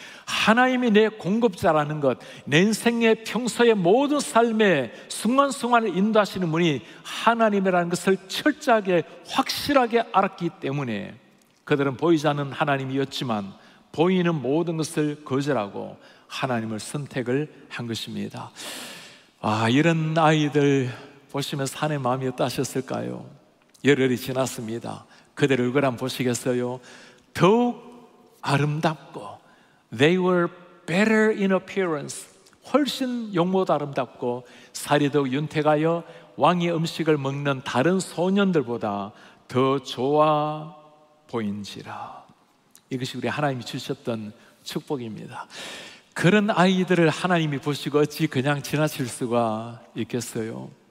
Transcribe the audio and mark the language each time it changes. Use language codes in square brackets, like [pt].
[ko] 하나님이 내 공급자라는 것, 내 인생의 평소의 모든 삶의 순간순간을 인도하시는 분이 하나님이라는 것을 철저하게 확실하게 알았기 때문에 그들은 보이지 않는 하나님이었지만 보이는 모든 것을 거절하고 하나님을 선택을 한 것입니다. 아, 이런 아이들 보시면서 하나님의 마음이 어떠셨을까요? 열흘이 지났습니다. 그들 얼굴 한번 보시겠어요? 더욱 아름답고 [en] They were better in appearance. [ko] 훨씬 용모도 아름답고 살이 더욱 윤택하여 왕의 음식을 먹는 다른 소년들보다 더 좋아 보인지라. 이것이 우리 하나님이 주셨던 축복입니다. 그런 아이들을 하나님이 보시고 어찌 그냥 지나칠 수가 있겠어요?